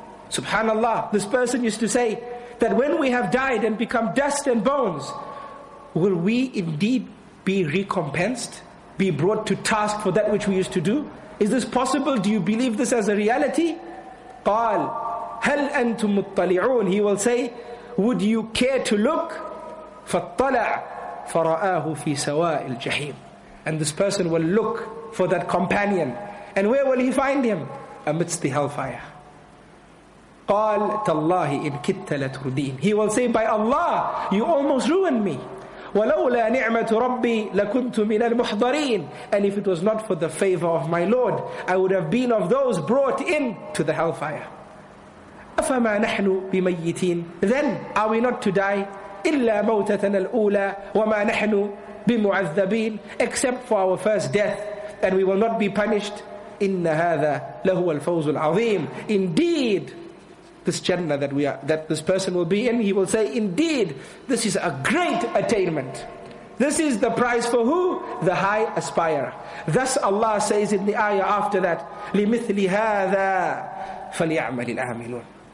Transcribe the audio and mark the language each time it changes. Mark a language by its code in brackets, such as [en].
[en] Subhanallah, this person used to say that when we have died and become dust and bones, will we indeed be recompensed, be brought to task for that which we used to do? Is this possible? Do you believe this as a reality? [ar] قال هل أنتم مطلعون. [en] He will say, would you care to look? [ar] فاطلع فرآه في سواء الجحيم. [en] And this person will look for that companion. And where will he find him? Amidst the hellfire. [ar] قال تالله إن كدت لتردين. [en] He will say, by Allah, you almost ruined me. [ar] ولولا نعمة ربي لكنت من المحضرين. [en] And if it was not for the favor of my Lord, I would have been of those brought in to the hellfire. [ar] أفما نحن بميتين. [en] Then, are we not to die? [ar] إلا موتتنا الأولى وما نحن بمعذبين. [en] Except for our first death, and we will not be punished. [ar] إن هذا لهو الفوز العظيم. [en] Indeed, this Jannah that we are, that this person will be in, he will say, indeed, this is a great attainment. This is the prize for who? The high aspirer. Thus Allah says in the ayah after that, [ar] لِمِثْلِ هَذَا فَلْيَعْمَلِ الْعَامِلُونَ.